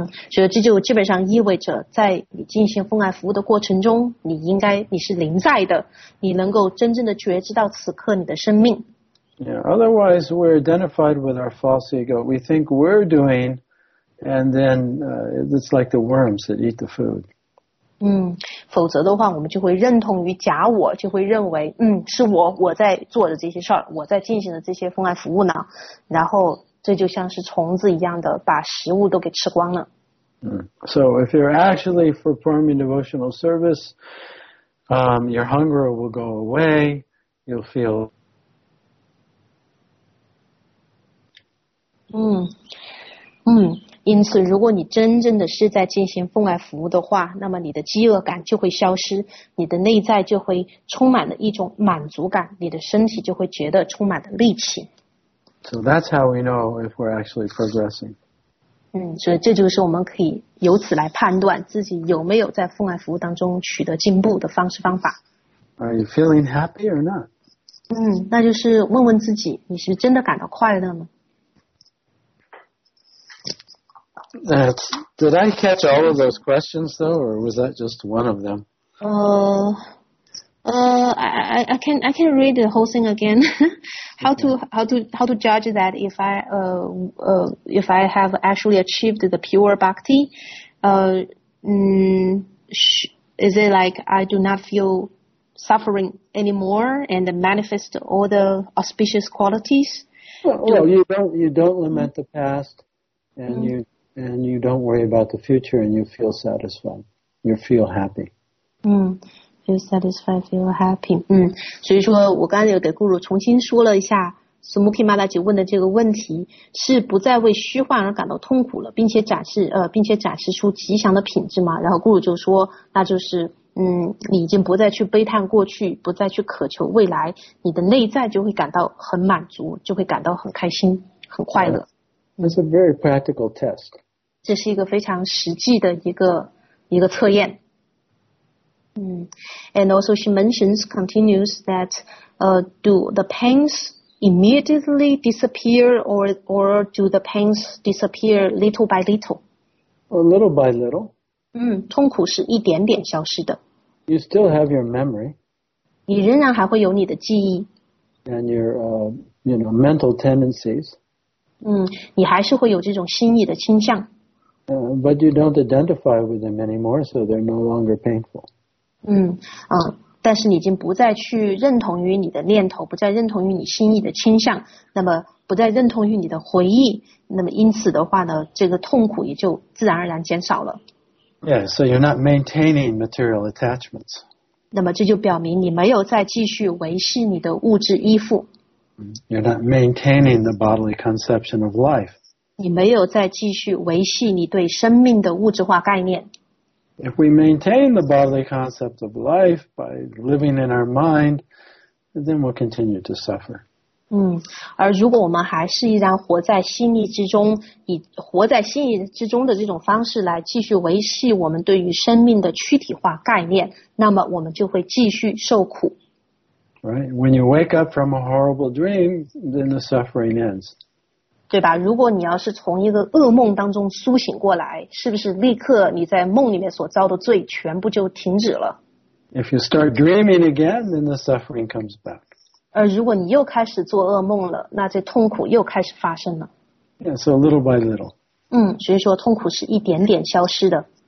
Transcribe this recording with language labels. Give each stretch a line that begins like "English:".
Chinese: 所以这就基本上意味着，在你进行奉爱服务的过程中，你应该你是临在的，你能够真正的觉知到此刻你的生命。
English: Yeah, otherwise, we're identified with our false ego. We think we're doing, and then it's like the worms that eat the food.
Chinese: 否则的话，我们就会认同于假我，就会认为，是我在做的这些事儿，我在进行的这些奉爱服务呢。然后这就像是虫子一样的，把食物都给吃光了。
English: So if you're actually performing devotional service, your hunger will go away. You'll feel
Chinese: 因此如果你真正的是在进行奉爱服务的话，那么你的饥饿感就会消失，你的内在就会充满了一种满足感，你的身体就会觉得充满了力气。
English: So that's how we know if we're actually progressing.
Chinese: 所以这就是我们可以由此来判断自己有没有在奉爱服务当中取得进步的方式方法。
English: Are you feeling happy or not?
Chinese: 那就是问问自己，你是真的感到快乐吗？
English: Did I catch all of those questions though, or was that just one of them? I can read the whole thing again. how to judge that if I have actually achieved the pure bhakti? Is it like I do not feel suffering anymore and manifest all the auspicious qualities? Well, you don't lament the past, and you don't worry about the future, and you feel satisfied. You feel happy. Feel satisfied, feel happy.
Chinese: 所以说我刚才有给顾鲁重新说了一下 Smoky Malaji 问的这个问题，是不再为虚幻而感到痛苦了，并且展示出吉祥的品质吗？然后顾鲁就说，那就是你已经不再去悲叹过去，不再去渴求未来，你的内在就会感到很满足，就会感到很开心，很快乐。
English: It's a very practical test.
Chinese: 这是一个非常实际的一个测验。
English: And also she continues that, do the pains immediately disappear or do the pains disappear little by little? Well, little by little.
Chinese: 痛苦是一点点消失的。
English: You still have your memory.
Chinese: 你仍然还会有你的记忆。
English: And your, mental tendencies.
Chinese: 你还是会有这种心意的倾向。
English: But you don't identify with them anymore, so they're no longer painful.
Chinese: 但是你已经不再去认同于你的念头，不再认同于你心意的倾向，那么不再认同于你的回忆，那么因此的话呢，这个痛苦也就自然而然减少了。
English: Yeah, so you're not maintaining material attachments.
Chinese: 那么这就表明你没有再继续维系你的物质依附。
English: You're not maintaining the bodily conception of life.
Chinese: 你没有再继续维系你对生命的物质化概念。
English: If we maintain the bodily concept of life by living in our mind, then we'll continue to suffer.
Chinese: 而如果我们还是依然活在心意之中，以活在心意之中的这种方式来继续维系我们对于生命的躯体化概念，那么我们就会继续受苦。
English: Right. When you wake up from a horrible dream, then the suffering ends.
Chinese: 对吧？如果你要是从一个噩梦当中苏醒过来，是不是立刻你在梦里面所遭的罪全部就停止了？
English: If you start dreaming again, then the suffering comes back.
Chinese: 而如果你又开始做噩梦了，那这痛苦又开始发生了。
English: Yeah. So little by little.
Chinese: 所以说痛苦是一点点消失的。